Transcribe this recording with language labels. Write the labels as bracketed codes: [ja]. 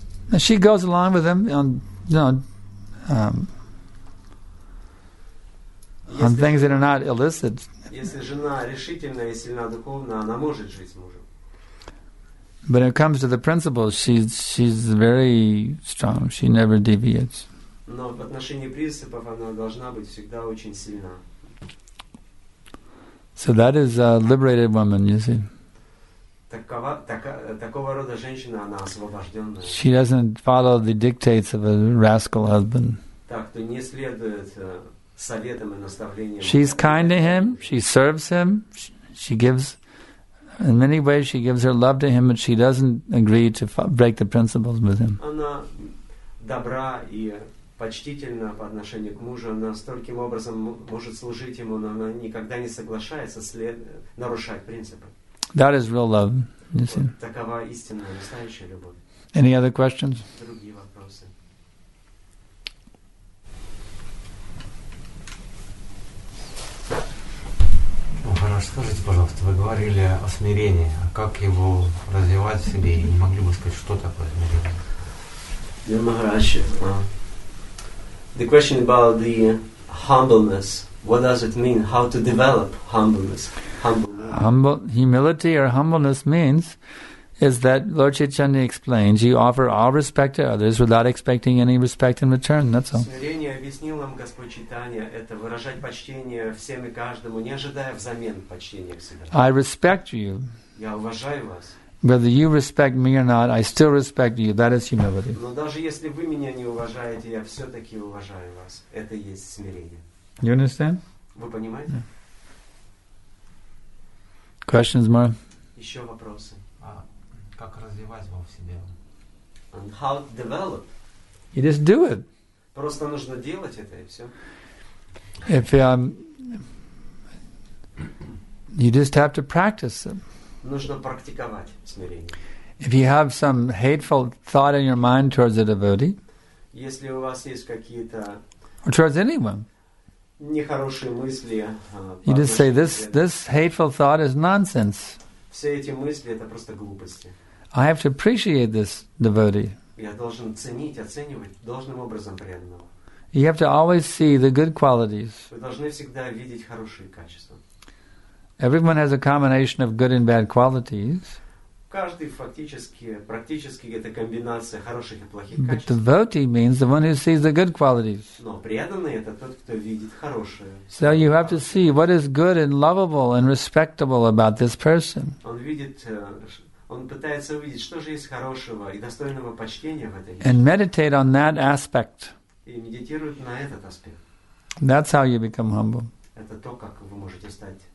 [en] And she goes along with him on things that are not illicit. But when it comes to the principles, she's very strong. She never deviates. [ru] Но в отношении принципов она должна быть всегда очень сильна. [en] So that is a liberated woman, you see. [ru] Такого рода женщина, она освобожденная. [en] She doesn't follow the dictates of a rascal husband. [ru] Так, то не следует советам и наставлениям. [en] She's kind to him, she serves him, she gives, in many ways she gives her love to him, but she doesn't agree to break the principles with him. [ru] Она добра и почтительно по отношению к мужу, она стольким образом может служить ему, но она никогда не соглашается нарушать принципы. [en] That is real love, you see. [ru] Вот такова истинная, настоящая любовь. [en] Any other questions? [ru] Другие вопросы. Махарадж, скажите, пожалуйста, вы говорили о смирении, а как его развивать в себе? И не могли бы сказать, что такое смирение? [en] Махарадж, the question about the humbleness. What does it mean? How to develop humbleness? Humility or humbleness means is that Lord Chaitanya explains, you offer all respect to others without expecting any respect in return. That's all. [ru] Смирение объяснил нам Господь Читания, это выражать почтение всем и каждому, не ожидая взамен почтения к себе. [en] I respect you. [ru] Я уважаю вас. [en] Whether you respect me or not, I still respect you. That is humility. [ru] Но даже если вы меня не уважаете, я все-таки уважаю вас. Это есть смирение. [en] You understand? [ru] Вы понимаете? [en] Yeah. Questions, Mara? [ru] Еще вопросы. Как развивать его в себе? [en] And how to develop? You just do it. [ru] Просто нужно делать это и все. [en] If you just have to practice it. [ru] Нужно практиковать смирение. [en] If you have some hateful thought in your mind towards a devotee, [ru] если у вас есть какие-то, [en] or towards anyone, [ru] нехорошие мысли, [en] you just say this hateful thought is nonsense. [ru] Все эти мысли это просто глупости. [en] I have to appreciate this devotee. [ru] Я должен ценить, оценивать должным образом преданного. [en] You have to always see the good qualities. [ru] Вы должны всегда видеть хорошие качества. [en] Everyone has a combination of good and bad qualities. [ru] Каждый фактически, практически это комбинация хороших и плохих [en] but [ru] качеств. [en] But devotee means the one who sees the good qualities. [ru] Но преданный это тот, кто видит хорошее. [en] So you have to see what is good and lovable and respectable about this person. [ru] Он видит, он пытается увидеть, что же есть хорошего и достойного почтения в этой жизни. [en] And meditate on that aspect. [ru] И медитирует на этот аспект. [en] That's how you become humble. [ru] Это то, как вы можете стать.